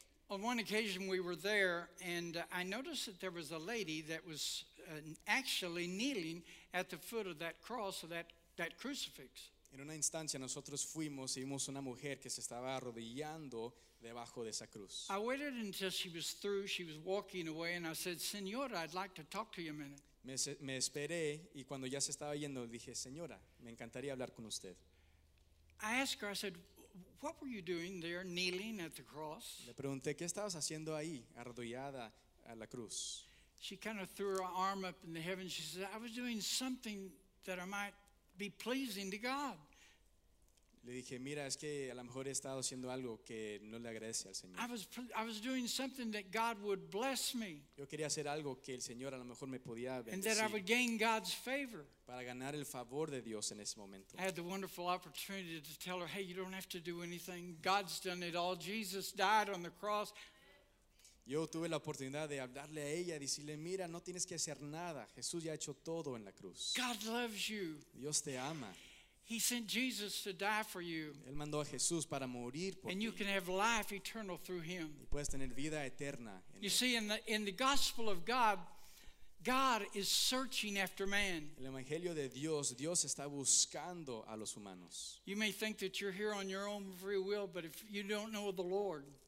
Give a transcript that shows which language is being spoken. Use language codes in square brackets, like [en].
[en] On one occasion we were there, and I noticed that there was a lady that was actually kneeling at the foot of that cross, of that crucifix. [es] En una instancia nosotros fuimos y vimos una mujer que se estaba arrodillando debajo de esa cruz. [en] I waited until she was through, she was walking away, and I said, Señora, I'd like to talk to you a minute. [es] Me esperé, y cuando ya se estaba yendo, dije, Señora, me encantaría hablar con usted. [en] I asked her, I said, what were you doing there kneeling at the cross? [es] Le pregunté, ¿qué estabas haciendo ahí, arrodillada a la cruz? [en] She kind of threw her arm up in the heavens. She said, I was doing something that I might be pleasing to God. [es] Le dije, mira, es que a lo mejor he estado haciendo algo que no le agradece al Señor. [en] I was doing something that God would bless me. [es] Yo quería hacer algo que el Señor a lo mejor me podía bendecir. [en] And that I would gain God's favor. [es] Para ganar el favor de Dios en ese momento. [en] I had the wonderful opportunity to tell her, hey, you don't have to do anything. God's done it all. Jesus died on the cross. [es] Yo tuve la oportunidad de hablarle a ella, decirle, mira, no tienes que hacer nada. Jesús ya ha hecho todo en la cruz. [en] God loves you. [es] Dios te ama. [en] He sent Jesus to die for you. [es] Él mandó a Jesús para morir por [en] and [es] ti. [en] You can have life eternal through him. [es] Y puedes tener vida eterna en [en] you [es] él. [en] See, in the gospel of God, God is searching after man. [es] El evangelio de Dios, Dios está buscando a los humanos. [en] You may think that you're here on your own free will, but if you don't know the Lord,